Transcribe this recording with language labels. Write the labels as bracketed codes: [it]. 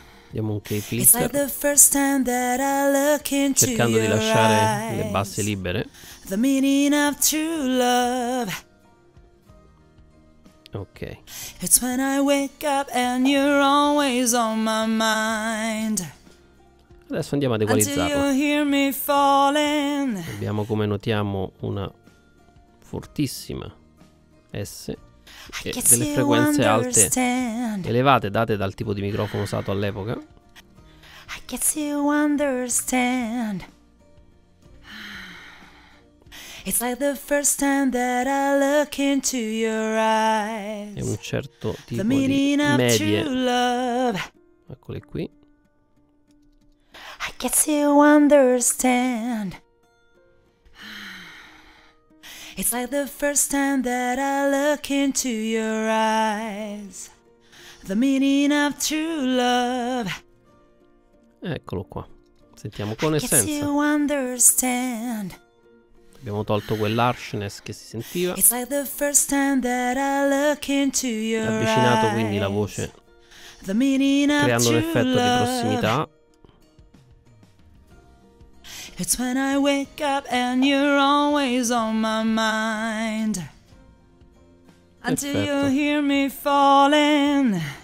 [it] Diamo un key filter. Cercando di lasciare le basse libere. [en] The meaning of true love. Okay. It's when I wake up and you're always on my mind. [it] Adesso andiamo ad equalizzarla. [en] Until you hear me falling. [it] Abbiamo, come notiamo, una fortissima S e delle frequenze alte elevate date dal tipo di microfono usato all'epoca. [en] I guess you understand. It's like the first time that I look into your eyes. [it] È un certo tipo di medie. Eccole qui. [en] I guess you understand. It's like the first time that I look into your eyes. The meaning of true love. [it] Eccolo qua. Sentiamo con essenza. [en] I guess you understand. [it] Abbiamo tolto quell'harshness che si sentiva. [en] It's like the first time that I look into your eyes. [it] Avvicinato quindi la voce, creando un effetto di prossimità. [en] It's when I wake up and you're always on my mind. Until you hear me falling.